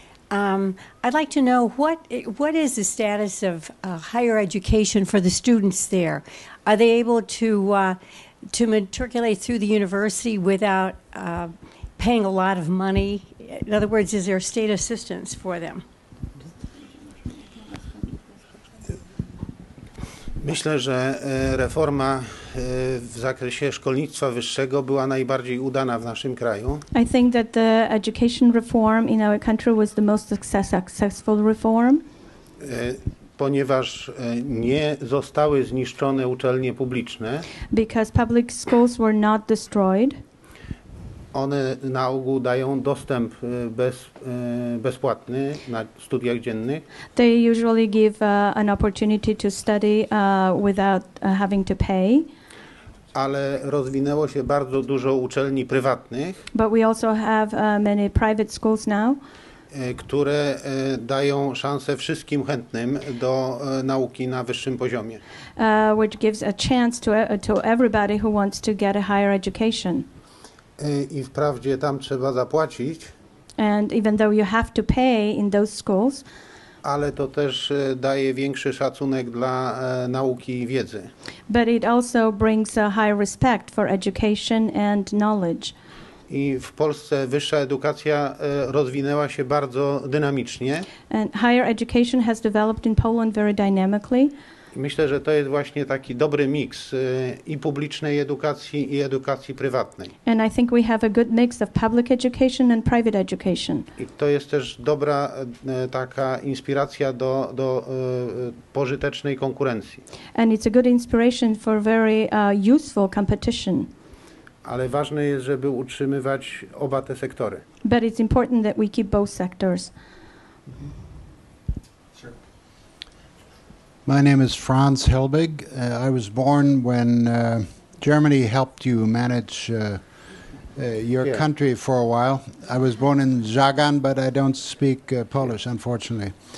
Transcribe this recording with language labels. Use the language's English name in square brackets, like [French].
[English] I'd like to know what is the status of higher education for the students there? Are they able to matriculate through the university without paying a lot of money? In other words, is there state assistance for them? [Polish] Myślę, że reforma w zakresie szkolnictwa wyższego była najbardziej udana w naszym kraju. [English] I think that the education reform in our country was the most successful reform. [Polish] Ponieważ nie zostały zniszczone uczelnie publiczne. [English] Because public schools were not destroyed. [Polish] One na ogół dają dostęp bezpłatny na studiach dziennych. [English] They usually give an opportunity to study without having to pay. [Polish] Ale rozwinęło się bardzo dużo uczelni prywatnych. [English] But we also have many private schools now. [Polish] Które dają szansę wszystkim chętnym do nauki na wyższym poziomie. [English] Which gives a chance to everybody who wants to get a higher education. [Polish] I wprawdzie tam trzeba zapłacić. [English] And even though you have to pay in those schools. [Polish] Ale to też daje większy szacunek dla nauki i wiedzy. [English] But it also brings a high respect for education and knowledge. [Polish] I w Polsce wyższa edukacja rozwinęła się bardzo dynamicznie. [English] And higher education has developed in Poland very dynamically. [Polish] Myślę, że to jest właśnie taki dobry miks i publicznej edukacji i edukacji prywatnej. [English] And I think we have a good mix of public education and private education. [Polish] I to jest też dobra taka inspiracja do pożytecznej konkurencji. [English] And it's a good inspiration for very useful competition. [Polish] Ale ważne jest, żeby utrzymywać oba te sektory. [English] But it's important that we keep both sectors. My name is Franz Helbig. I was born when Germany helped you manage your country for a while. I was born in Żagań, but I don't speak Polish, unfortunately.